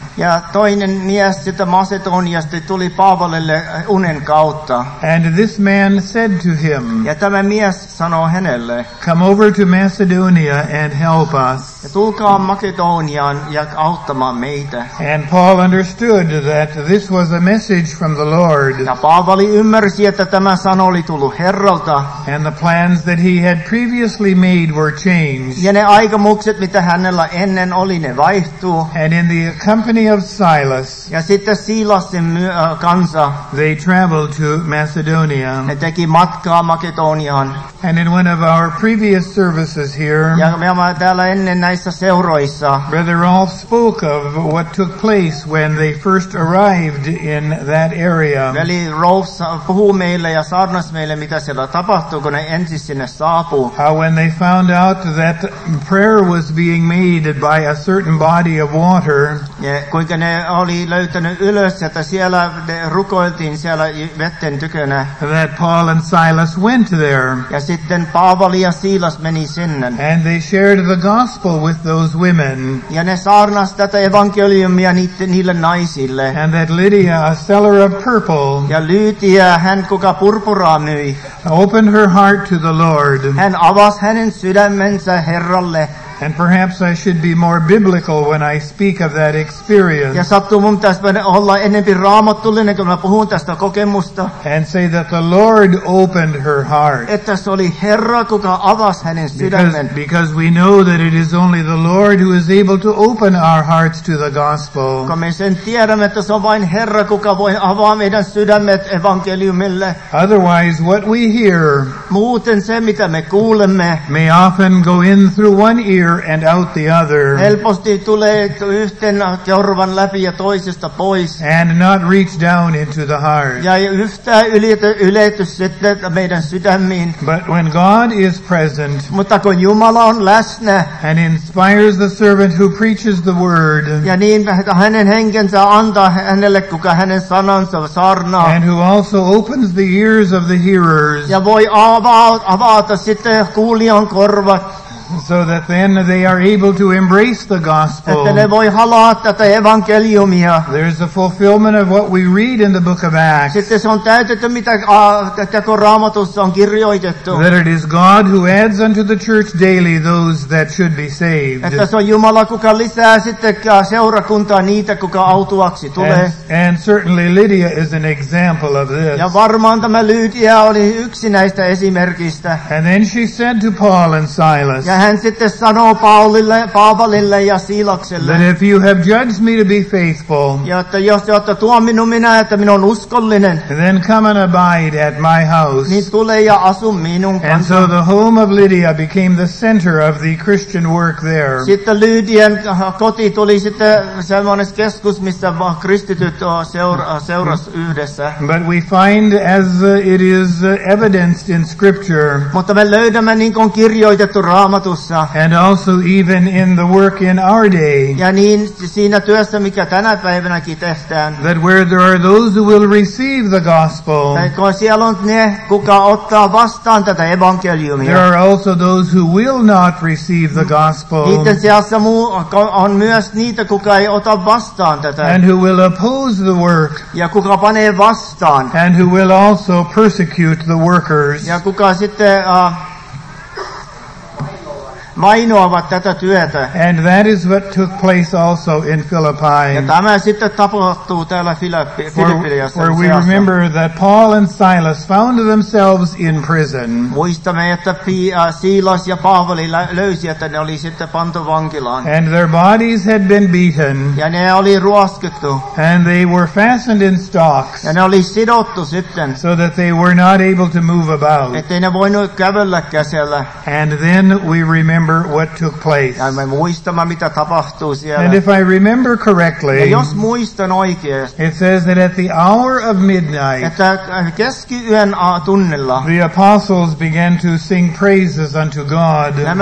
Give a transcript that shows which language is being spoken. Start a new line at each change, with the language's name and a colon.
Finnish: Ja toinen mies sitä Macedoniasta tuli Paavolille unen kautta.
English: And this man said to him,
Finnish: ja tämä mies sanoi hänelle,
English: come over to Macedonia and help us.
Finnish: Ja tulkaa Makedoniaan ja auttamaan meitä.
English: And Paul understood that this was a message from the Lord.
Finnish: Ja Paavali ymmärsi, että tämä sana oli tullut Herralta.
English: And the plans that he had previously made were changed.
Finnish: Ja ne aikomukset, mitä hänellä ennen oli, ne vaihtuu.
English: And in the company of Silas,
Finnish: ja sitten Silasin kanssa,
English: they traveled to Macedonia.
Finnish: Ne teki matkaa Makedoniaan.
English: And in one of our previous services here,
Finnish: ja me olemme täällä ennen näissä seuroissa,
English: Brother Rolf spoke of what took place when they first arrived in that area.
Finnish: Veli Rolf puhui meille ja saarnas meille, mitä siellä tapahtui, kun ne ensin sinne saapui.
English: How when they found out that prayer was being made by a certain body of water,
Finnish: ja kuinka ne oli löytänyt ylös, että siellä ne rukoiltiin siellä vetten tykönä.
English: That Paul and Silas went there.
Finnish: Ja sitten Paavali ja Silas meni sinne.
English: And they shared the gospel with those women.
Finnish: Ja ne saarnas tätä evankeliumia niille naisille.
English: And that Lydia, a seller of purple,
Finnish: ja Lydia, hän kuka purpuraa myi,
English: opened her heart to the Lord.
Finnish: Hän avasi hänen sydämensä Herralle.
English: And perhaps I should be more biblical when I speak of that experience.
Finnish: Ja sattuu mun tässä olla enempi raamattullinen, kun mä puhun tästä kokemusta.
English: And say that the Lord opened her heart.
Finnish: Että se oli Herra, kuka avasi hänen sydämen.
English: Because we know that it is only the Lord who is able to open our hearts to the gospel.
Finnish: Kun me sen tiedämme, että se on vain Herra, kuka voi avaa meidän sydämet evankeliumille.
English: Otherwise, what we hear,
Finnish: muuten se, mitä me kuulemme,
English: may often go in through one ear and out the other.
Finnish: Helposti tulee yhten korvan läpi ja toisesta pois.
English: And not reach down into the heart.
Finnish: Ja yhtään ylety sitten meidän sydämiin.
English: But when God is present,
Finnish: mutta kun Jumala on läsnä,
English: and inspires the servant who preaches the word,
Finnish: ja niin hänen henkensä antaa hänelle, kuka hänen sanansa saarnaa,
English: and who also opens the ears of the hearers,
Finnish: ja voi avata sitten kuulijan korvat,
English: so that then they are able to embrace the gospel.
Finnish: Että ne voi halaa tätä evankeliumia.
English: There is a fulfillment of what we read in the book of Acts.
Finnish: Sitten se on täytetty, mitä teko Raamatussa on kirjoitettu.
English: That it is God who adds unto the church daily those that should be saved.
Finnish: Että se on Jumala, kuka lisää sitten seurakuntaa niitä, kuka autuaksi tulee.
English: And certainly Lydia is an example of this.
Finnish: Ja varmaan tämä Lydia oli yksi näistä esimerkistä.
English: And then she said to Paul and Silas,
Finnish: ja hän sitten sanoo Paulille, Paavalille ja Siilakselle,
English: that if you have judged me to be faithful,
Finnish: ja että jos te olette tuominut minä, että minä olen uskollinen,
English: then come and abide at my house.
Finnish: Niin tule ja asu minun kanssa.
English: And so the home of Lydia became the center of the Christian work there.
Finnish: Sitten Lydian koti tuli sitten semmoinen keskus, missä kristityt seurasi yhdessä.
English: But we find, as it is evidenced in scripture,
Finnish: mutta me löydämme, niin kuin kirjoitettu Raamatussa, jutussa.
English: And also even in the work in our day.
Finnish: Ja niin siinä työssä, mikä tänä päivänäkin tehdään.
English: That where there are those who will receive the gospel.
Finnish: Taikka siellä on ne, kuka ottaa vastaan tätä evankeliumia.
English: There are also those who will not receive the gospel.
Finnish: Niiden seassa on myös niitä, kuka ei ota vastaan tätä.
English: And who will oppose the work.
Finnish: Ja kuka panee vastaan.
English: And who will also persecute the workers.
Finnish: Ja kuka sitten mainoavat tätä työtä.
English: And that is what took place also in Philippi.
Finnish: Ja tämä sitten tapahtuu täällä Filippiassa.
English: For we remember that Paul and Silas found themselves in prison.
Finnish: Muistamme, että Silas ja Paavali löysi, että ne oli sitten pantu vankilaan.
English: And their bodies had been beaten.
Finnish: Ja ne oli ruoskittu.
English: And they were fastened in stocks.
Finnish: Ja ne oli sidottu sitten.
English: So that they were not able to move about.
Finnish: Ettei ne voinut kävellä käsillä.
English: And then we remember what took place. And if I remember correctly, it says that at the hour of midnight, the apostles began to sing praises unto God.